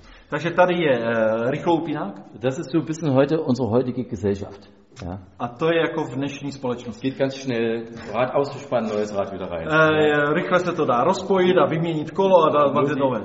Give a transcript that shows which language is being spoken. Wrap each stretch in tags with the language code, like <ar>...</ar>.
<cs>Takže tady je rychloupinák.</cs> <de>Das ist so ein bisschen heute unsere heutige Gesellschaft. Ja.</de> <cs>A to je jako v dnešní společnosti.</cs> <de>Geht ganz schnell, Rad auszuspannen, neues Rad wieder rein.</de> <cs>Rychle se to dá rozpojit a vyměnit kolo a dát vás je nové.</cs>